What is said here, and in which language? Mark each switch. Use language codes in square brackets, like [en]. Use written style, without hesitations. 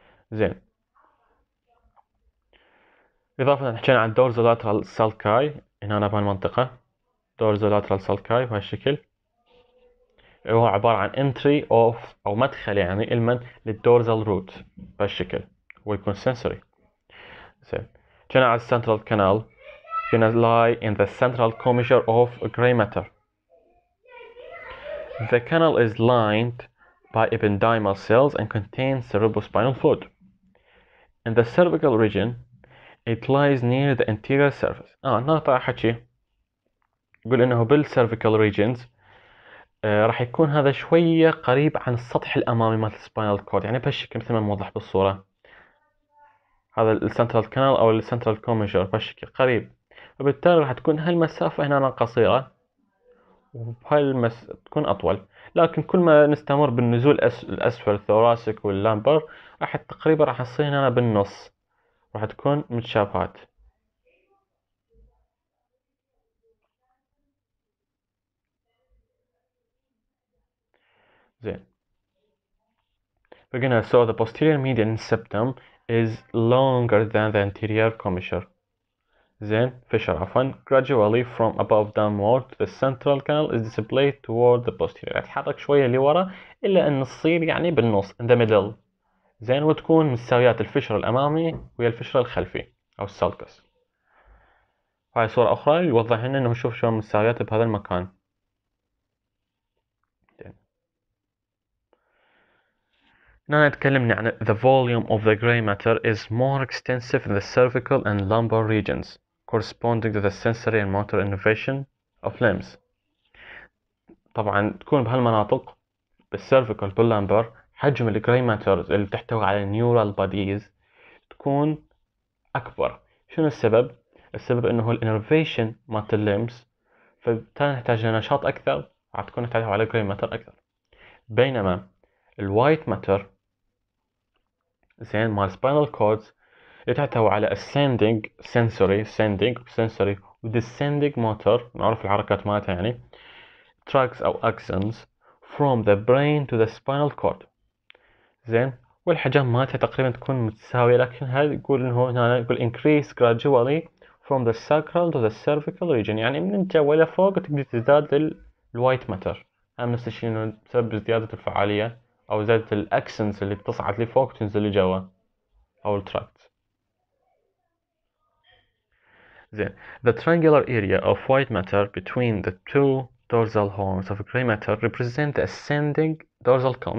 [ar] زين إضافة حكينا عن دورز لاترال سالكاي، هنا أنا بهالمنطقة دورز لاترال سالكاي بهالشكل، هو عبارة عن [en] entry of [ar] أو مدخل يعني المن للدورزال روت بهالشكل، ويكون sensory. زين حكينا عن السنترال كانال، [en] gonna lie in the central commissure of gray matter. The canal is lined by ependymal cells and contains cerebrospinal fluid. In the cervical region, it lies near the anterior surface. [ar] نقطع حكي يقول انه بال cervical regions راح يكون هذا شوية قريب عن السطح الامامي مثل spinal cord، يعني بهالشكل مثل ما موضح بالصورة، هذا ال central canal او ال central commissure بهالشكل قريب، وبالتالي راح تكون هالمسافة هنا قصيرة وهالمس تكون أطول، لكن كل ما نستمر بالنزول الأسفل الثوراسيك واللامبر راح تقريبا راح تصير هنا بالنص، راح تكون متشابهات. زين فقلنا [en] so the posterior median septum is longer than the anterior commissure. Then, fissure often gradually from above downward to the central canal is displayed toward the posterior. [ar] تحرك شوية لورا إلا أن تصير يعني بالنص [en] in the middle. [ar] Then, وتكون مستويات الفشر الأمامي ويا الفشر الخلفي أو السلكس. هاي صورة أخرى يوضح لنا أنه نشوف شلون مستويات بهذا المكان. [en] Now [ar] تكلمنا عن [en] the volume of the gray matter is more extensive in the cervical and lumbar regions corresponding to the sensory and motor innervation of limbs. [ar] طبعا تكون بهالمناطق بالcervical باللمبر حجم ال gray matter اللي تحتوي على neural bodies تكون أكبر. شنو السبب؟ السبب إنه هو innervation مات limbs، فبالتالي نحتاج لنشاط أكثر، راح تكون تحتوي على gray matter أكثر. [en] بينما ال white matter [ar] زين مال سبينال كوردز اللي تحتوي على [en] ascending sensory ascending sensory و descending motor، نعرف الحركات مالتها يعني tracks او axons from the brain to the spinal cord. [ar] زين والحجم مالتها تقريبا تكون متساوية، لكن هذا يقول انه هنا يقول [en] increase gradually from the sacral to the cervical region، [ar] يعني من جوا لفوق تقدر تزداد لل white matter. هم نفس الشيء انه بسبب زيادة الفعالية او زيادة الاكسنس اللي بتصعد لفوق تنزل لجوا او التراكت. [en] زين the triangular area of white matter between the two dorsal horns of gray matter represent the ascending dorsal cone.